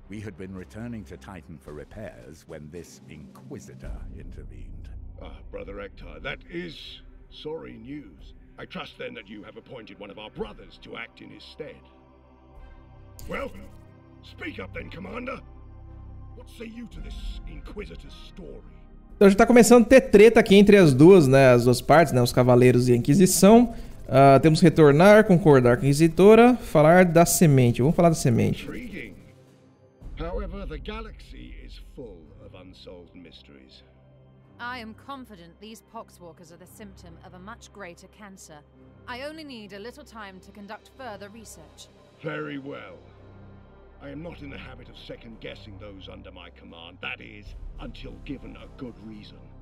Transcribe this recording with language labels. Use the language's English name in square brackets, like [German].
[English] We had been returning to Titan for repairs when this Inquisitor intervened. Ah, Brother Ektar, that is sorry news. I trust then that you have appointed one of our brothers to act in his stead. Well, speak up then, Commander. What say you to this Inquisitor's story? [Portuguese] Então já tá começando a ter treta aqui entre as duas, né, as duas partes, né, os Cavaleiros e a Inquisição. Temos que retornar, concordar com a Inquisitora, falar da semente. Vamos falar da semente. [English] However, the galaxy is full of unsolved mysteries. I am confident these poxwalkers are the symptom of a much greater cancer. I only need a little time to conduct further research. Very well. I am not in the habit of second guessing those under my command, that is, until given a good reason.